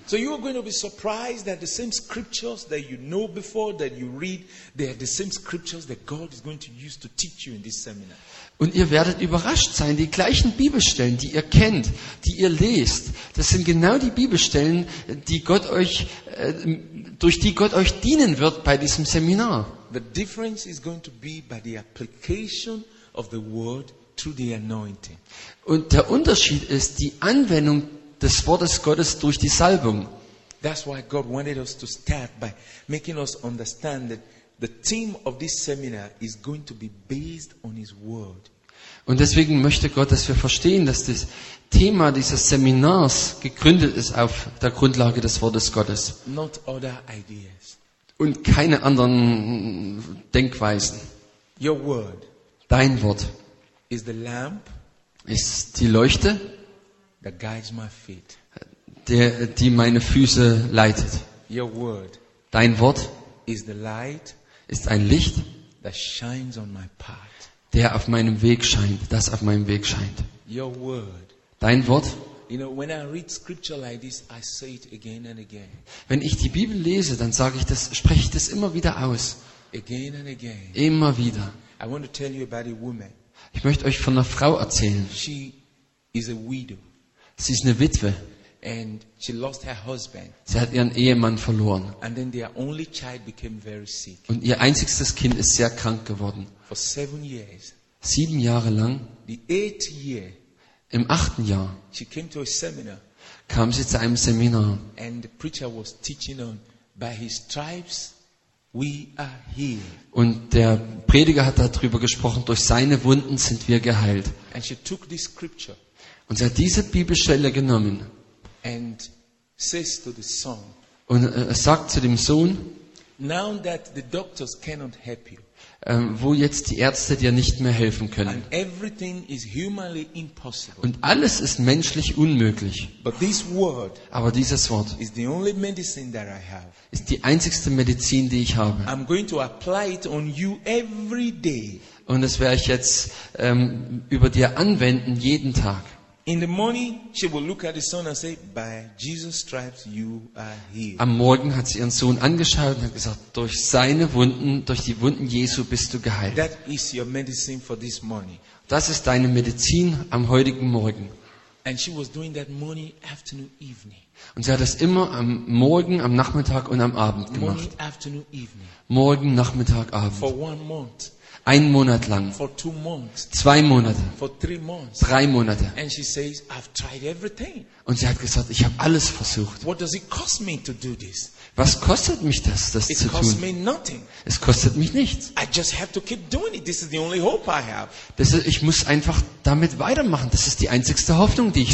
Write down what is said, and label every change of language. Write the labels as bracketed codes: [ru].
[en] So you are going to be surprised that the same scriptures that you know before that you read, they are the same scriptures that God is going to use to teach you in this seminar. [de] Und ihr werdet überrascht sein, die gleichen Bibelstellen, die ihr kennt, die ihr lest, das sind genau die Bibelstellen, die Gott euch, durch die Gott euch dienen wird bei diesem Seminar. [en] The difference is going to be by the application of the word to the anointing. [de] Und der Unterschied ist die Anwendung des Wortes Gottes durch die Salbung. [en] That's why God wanted us to start by making us understand that the theme of this seminar is going to be based on his word. [de] Und deswegen möchte Gott, dass wir verstehen, dass das Thema dieses Seminars gegründet ist auf der Grundlage des Wortes Gottes. [en] Not other ideas. [de] Und keine anderen Denkweisen. [en] Your word. [de] Dein Wort. [en] Is the lamp. [de] Ist die Leuchte. [en] That guides my feet. [de] Die meine Füße leitet. [en] Your word. [de] Dein Wort. [en] Is the light. [de] Ist ein Licht, [en] that shines on my path. [de] Der auf meinem Weg scheint, das auf meinem Weg scheint. [en] Your word. [de] Dein Wort. [en] You know, when I read scripture like this, I say it again and again. [de] Wenn ich die Bibel lese, dann sage ich das, spreche ich das immer wieder aus. [en] Again and again. [de] Immer wieder. [en] I want to tell you about a woman. [de] Ich möchte euch von einer Frau erzählen. [en] She is a widow. [de] Sie ist eine Witwe. [en] And she lost her husband. [de] Sie hat ihren Ehemann verloren. [en] And then their only child became very sick. [de] Und ihr einziges Kind ist sehr krank geworden. [en] For 7 years. [de] 7 Jahre lang. [en] The eighth year. [de] Im achten Jahr. [en] She came to a seminar. [de] Kam sie zu einem Seminar. [en] And the preacher was teaching on by his stripes. We are healed. [de] Und der Prediger hat darüber gesprochen, durch seine Wunden sind wir geheilt. [en] And she took this scripture. [de] Und sie hat diese Bibelstelle genommen. [en] And says to the son. [de] Und sagt zu dem Sohn. [en] Now that the doctors cannot help you. [de] Wo jetzt die Ärzte dir nicht mehr helfen können. [en] And everything is humanly impossible. [de] Und alles ist menschlich unmöglich. [en] But this word. [de] Aber dieses Wort. [en] Is the only medicine that I have. [de] Ist die einzigste Medizin, die ich habe. [en] I'm going to apply it on you every day. [de] Und das werde ich jetzt über dir anwenden jeden Tag. [en] In the morning she will look at the son and say, by Jesus stripes you are healed. [de] Am Morgen hat sie ihren Sohn angeschaut und hat gesagt, durch seine Wunden, durch die Wunden Jesu bist du geheilt. [en] That is your medicine for this morning. [de] Das ist deine Medizin am heutigen Morgen. [en] And she was doing that morning, afternoon, evening. [de] Und sie hat das immer am Morgen, am Nachmittag und am Abend gemacht. [en] Morning, afternoon, evening. [de] Morgen, Nachmittag, Abend. [en] For 1 month. [de] 1 Monat lang. [en] For 2 months. [de] 2 Monate. [en] For 3 months. [de] 3 Monate. [en] And she says, I've tried everything. [de] Und sie hat gesagt, ich habe alles versucht. [en] What does it cost me to do this? [de] Was kostet mich das, das [en] it [de] zu [en] costs [de] tun? [en] Me nothing. [de] Es kostet mich nichts. [en] I just have to keep doing it. This is the only hope I have. [de] Das ist, ich muss einfach damit weitermachen. Das ist die einzigste Hoffnung, die ich